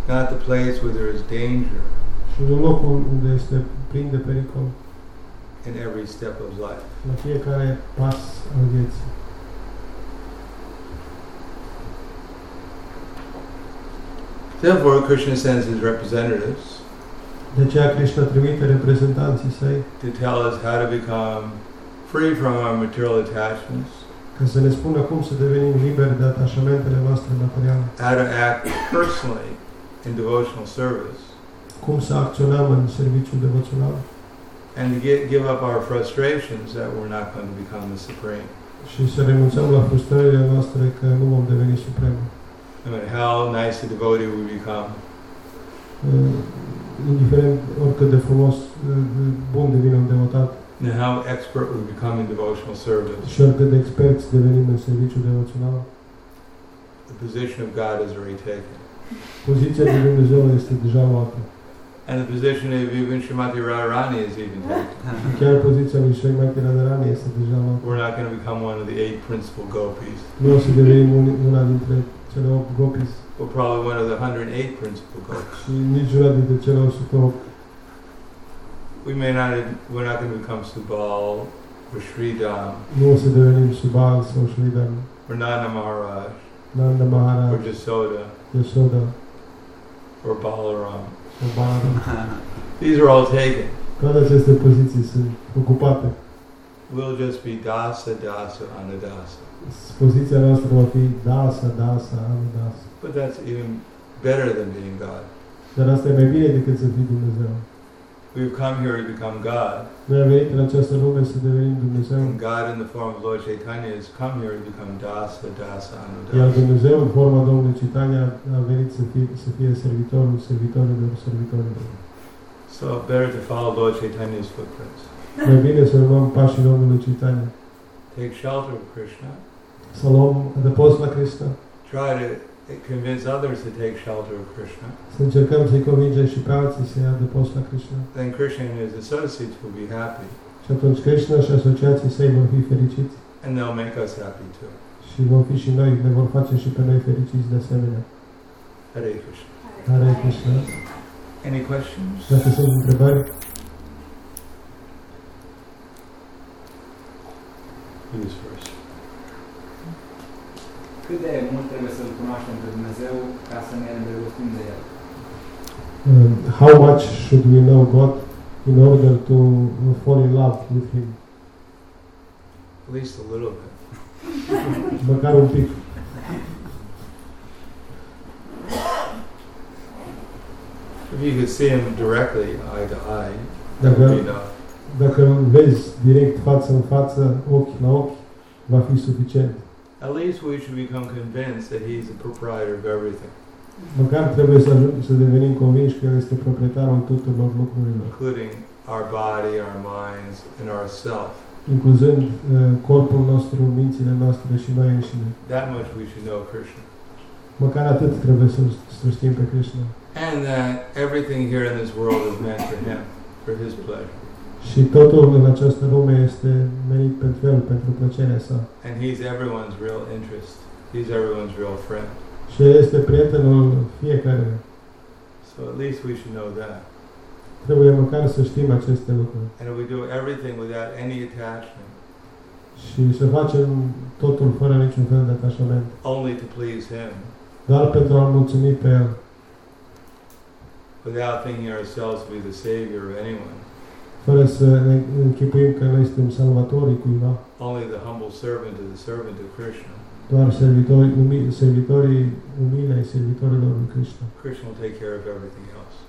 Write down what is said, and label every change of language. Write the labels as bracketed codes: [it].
[en] Not the place where there is danger. [ro] Și nu locul unde este plin de pericol. [en] In every step of life. [ro] La fiecare pas al vieții. [en] Therefore, Krishna sends his representatives. [ro] De aceea Krishna trimite reprezentanții săi. [en] To tell us how to become free from our material attachments. [ro] Ca să ne spună cum să devenim liberi de atașamentele noastre materiale. [en] How to act personally in devotional service. [ro] Cum să acționăm în serviciul devoțional. [en] And to give up our frustrations that we're not going to become the supreme. [ro] Și să renunțăm la frustrările noastre că nu vom deveni supremi. [en] No matter how nice a devotee we become. [ro] Indiferent oricât de frumos, bun devine un devotat. [en] And how expert we become in devotional service. [ro] Și oricât de experți devenim în serviciul devoțional. [en] The position of God is already taken. [ro] Poziția de Dumnezeu este deja luată. [en] And the position of even Srimati Radharani is even taken. [ro] Chiar poziția lui Srimati Radharani este deja luată. [en] We're not going to become one of the eight principal gopis. [ro] Nu o să devenim una dintre cele 8 gopis. [en] Or probably one of the 108 principal gopis. [ro] Și nici una dintre cele 108. [en] We're not going to become Subal or Sridham. [ro] Nu o să devenim Subal sau Sridham. [en] Or Nanda Maharaj. [ro] Nanda Maharaj. [en] Or Yasoda. [ro] Yasoda. [en] Or Balaram. Or Balaram. These are all taken. [ro] Toate aceste poziții sunt ocupate. [en] We'll just be Dasa, Dasa, Anadasa. [ro] Poziția noastră va fi Dasa, Dasa, Anadasa. [en] But that's even better than being God. [ro] Dar asta e mai bine decât să fii Dumnezeu. [en] We've come here to become God. [ro] Noi am venit în această lume să devenim Dumnezeu. [en] And God in the form of Lord Chaitanya has come here to become Dasa, Dasa, Anadasa. [ro] Iar Dumnezeu în forma Domnului Chaitanya a venit să fie servitorul, servitorilor, servitorilor. [en] So better to follow Lord Chaitanya's footprints. [ro] Mai bine să luăm pașii Domnului Chaitanya. [en] Take shelter of Krishna. [ro] Să luăm adăpost la Krishna. [en] Try to convince others to take shelter of Krishna. [ro] Să încercăm să-i convingem și pe alții să ia adăpost la Krishna. [en] Then Krishna and his associates will be happy. [ro] Și atunci Krishna și asociații săi vor fi fericiți. [en] And they'll make us happy too. [ro] și vom fi și noi, ne vor face și pe noi fericiți de asemenea. [en] Hare Krishna. [ro] Hare Krishna. [en] Any questions? [ro] Dacă sunt întrebări? [en] Please first. [ro] Cât de mult trebuie să-L cunoaștem pe Dumnezeu ca să ne îndrăgostim de El? [en] How much should we know God in order to fall in love with Him? At least a little bit. [ro] Măcar un pic. [en] If you could see Him directly, eye to eye, [ro] dacă, dacă vezi direct față în față, ochi la ochi, va fi suficient. [en] At least we should become convinced that He's the proprietor of everything. [ro] Măcar trebuie să, să devenim convinși că El este proprietarul tuturor lucrurilor. [en] Including our body, our minds, and ourself. [ro] Incluzând corpul nostru, mințile noastre și noi înșine. [en] That much we should know Krishna. [ro] Măcar atât trebuie să, să știm pe Krishna. [en] And that everything here in this world is meant for Him, for His pleasure. [ro] Și totul în această lume este menit pentru El, pentru plăcerea Sa. [en] And He's everyone's real interest. He's everyone's real friend. [ro] Și El este prietenul fiecare. [en] So at least we should know that. [ro] Trebuie măcar să știm aceste lucruri. [en] And we do everything without any attachment. [ro] Și să facem totul fără niciun fel de atașament. [en] Only to please Him. [ro] Doar pentru a-L mulțumi pe El. [en] Without thinking ourselves to be the savior of anyone. [ro] Fără să ne închipuim că noi suntem salvatorii cuiva. [en] Only the humble servant of the servant of Krishna. [ro] Doar servitorii, servitorii umile ai servitorilor lui Krishna. [en] Krishna will take care of everything else.